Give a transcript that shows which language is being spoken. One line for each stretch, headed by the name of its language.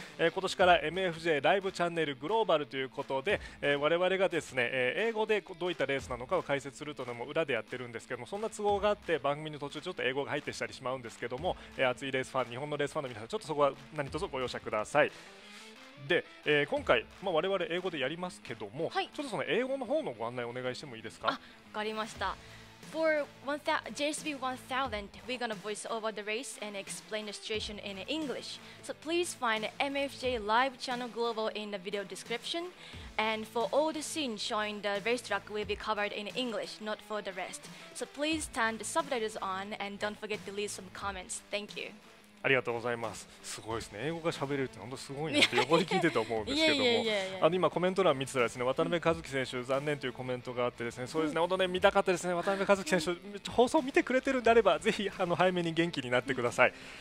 Japanese: 今年から MFJ ライブチャンネルグローバルということで、我々がですね、英語でどういったレースなのかを解説するというのも裏でやってるんですけども、そんな都合があって番組の途中ちょっと英語が入ってしたりしまうんですけども、熱いレースファン、日本のレースファンの皆さん、ちょっとそこは何卒ご容赦ください。で、今回、我々英語でやりますけども、ちょっとその英語の方のご案内お願いしてもいいですか。わかりました。
English: For JSB 1000, we're gonna voice over the race and explain the situation in English. So please find MFJ Live Channel Global in the video description. And for all the scenes showing the racetrack will be covered in English, not for the rest. So please turn the subtitles on and don't forget to leave some comments. Thank you.
Japanese: ありがとうございます。すごいですね、英語が喋れるって本当すごいなって横で聞いてて思うんですけども、あの今コメント欄見てたらですね、渡辺和樹選手残念というコメントがあってですね、そうですね、本当ね見たかったですね、渡辺和樹選手放送見てくれてるんであればぜひ早めに元気になってください。